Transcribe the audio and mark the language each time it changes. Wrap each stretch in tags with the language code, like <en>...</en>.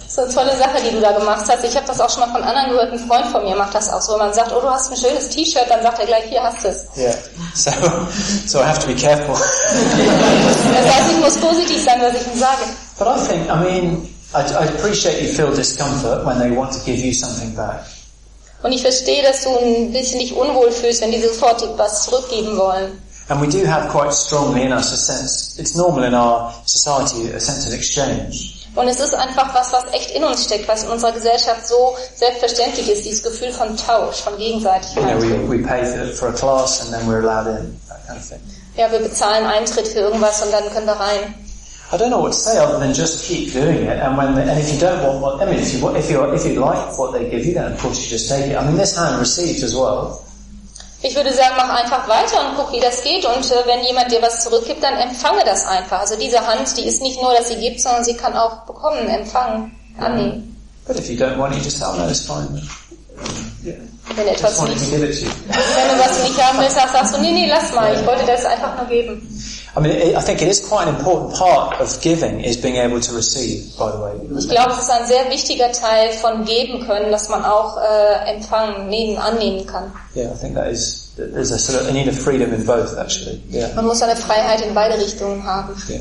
<de>So eine tolle Sache, die du da gemacht hast. Ich habe das auch schon mal von anderen gehört. Ein Freund von mir macht das auch so. Wenn man sagt, oh, du hast ein schönes T-Shirt, dann sagt er gleich, hier hast du es.</de> <en>Yeah. So I have to be careful.</en> <de>Das heißt, ich muss positiv sein, was ich ihm sage.</de> <en>But I think, I mean, I appreciate you feel discomfort when they want to give you something back.</en> <de>Und ich verstehe, dass du ein bisschen dich unwohl fühlst, wenn die sofort was zurückgeben wollen.</de> <en>And we do have quite strongly in us a sense, it's normal in our society, a sense of exchange.</en> <de>Und es ist einfach was echt in uns steckt, was in unserer Gesellschaft so selbstverständlich ist, dieses Gefühl von Tausch, von Gegenseitigkeit.</de> <en>You know, we pay for a class and then we're allowed in, that kind of thing.</en> <de>Ja, wir bezahlen Eintritt für irgendwas und dann können wir rein.</de> <en>I don't know what to say other than just keep doing it. And if you don't want what, I mean, if you like what they give you, then of course you just take it. I mean, this hand receives as well.</en> <de>Ich würde sagen, mach einfach weiter und guck, wie das geht. Und wenn jemand dir was zurückgibt, dann empfange das einfach. Also diese Hand, die ist nicht nur, dass sie gibt, sondern sie kann auch bekommen, empfangen, annehmen.</de> <en>But if you don't want it, just tell me, it's fine.</en> <de>Wenn etwas nicht, wenn du was nicht haben willst, sagst du, nee, lass mal, ich wollte das einfach nur geben.</de> <en>I mean, I think it is quite an important part of giving is being able to receive, by the way.</en> <de>Ich glaube, es ist ein sehr wichtiger Teil von geben können, dass man auch empfangen, nehmen, annehmen kann.</de> <en>Yeah, I think that is, there's a sort of, I need a freedom in both, actually. Yeah.</en> <de>Man muss eine Freiheit in beide Richtungen haben.</de>